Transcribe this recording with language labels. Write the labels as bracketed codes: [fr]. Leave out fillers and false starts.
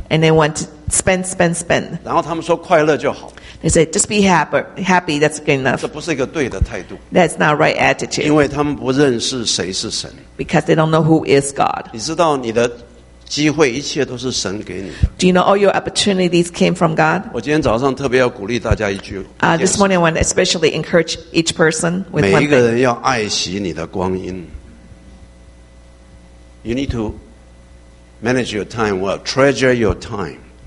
[en] And they want to spend. [zh] 然后他们说快乐就好。 [en] They say just be happy. That's good enough. [zh] 这不是一个对的态度。 [en] That's not right attitude. [zh] 因为他们不认识谁是神。 [en] Because they don't know who is God. [zh] 你知道你的。机会一切都是神给你的。 [en] Do you know all your opportunities came from God? [zh] 我今天早上特别要鼓励大家一句。 [en] This morning I want to especially encourage each person with one thing. [zh] 每一个人要爱惜你的光阴。 [en] You need to manage your time well, treasure your time.